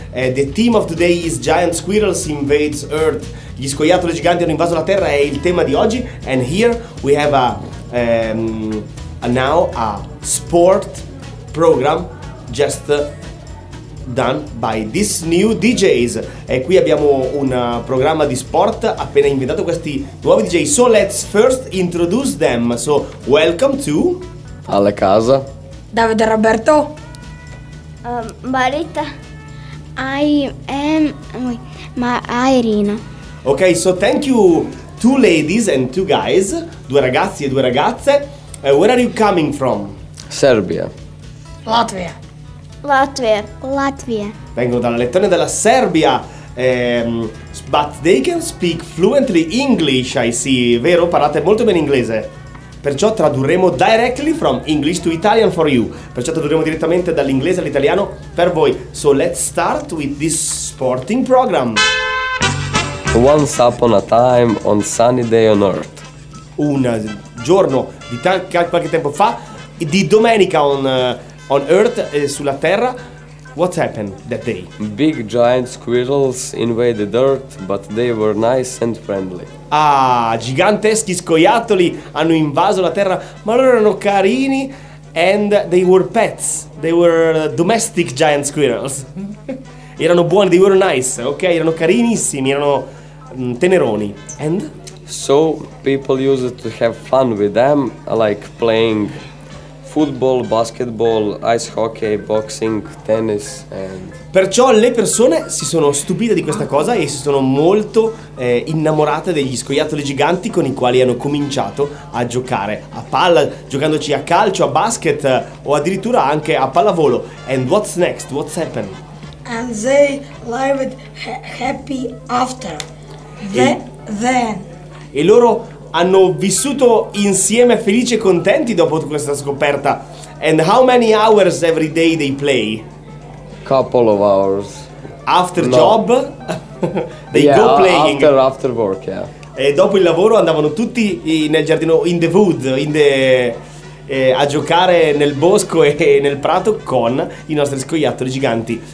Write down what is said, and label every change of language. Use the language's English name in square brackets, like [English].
[English] The theme of today is Giant Squirrels Invades Earth. [Italian] Gli scoiattoli giganti hanno invaso la Terra, è il tema di oggi. [English] And here we have a sport program just done by these new DJs. [Italian] E qui abbiamo un programma di sport appena inventato, questi nuovi DJ. [English] So let's first introduce them. So welcome to Alla Casa, Davide Roberto, Barita, Irina. Ok, so thank you two ladies and two guys, [Italian] due ragazzi e due ragazze. [English] Where are you coming from? Serbia. Latvia. Latvia. Latvia. [Italian] Vengono dalla Lettonia e dalla Serbia. [English] But they can speak fluently English, I see, vero? [Italian] Parlate molto bene inglese. Perciò tradurremo [English] directly from English to Italian for you. [Italian] Perciò tradurremo direttamente dall'inglese all'italiano per voi. [English] So let's start with this sporting program. Once upon a time on sunny day on earth. [Italian] Un giorno di qualche tempo fa, di domenica [English] on earth, [Italian] sulla terra. [English] What happened that day? Big giant squirrels invaded earth, but they were nice and friendly. [Italian] Ah, giganteschi scoiattoli hanno invaso la terra, ma loro erano carini, [English] and they were pets. They were domestic giant squirrels. [Italian] Erano buoni, [English] they were nice, ok? [Italian] Erano carinissimi, erano teneroni. And? [English] So people used to have fun with them, like playing football, basketball, ice hockey, boxing, tennis and... [Italian] Perciò le persone si sono stupite di questa cosa e si sono molto innamorate degli scoiattoli giganti, con i quali hanno cominciato a giocare a palla, giocandoci a calcio, a basket o addirittura anche a pallavolo. [English] And what's next? What's happened? And they lived happy after. Then. [Italian] E loro hanno vissuto insieme felici e contenti dopo questa scoperta. [English] And how many hours every day they play? Couple of hours. After job? They go playing. After work, yeah. [Italian] E dopo il lavoro andavano tutti nel giardino, [English] in the wood, [Italian] a giocare nel bosco e nel prato con i nostri scoiattoli giganti.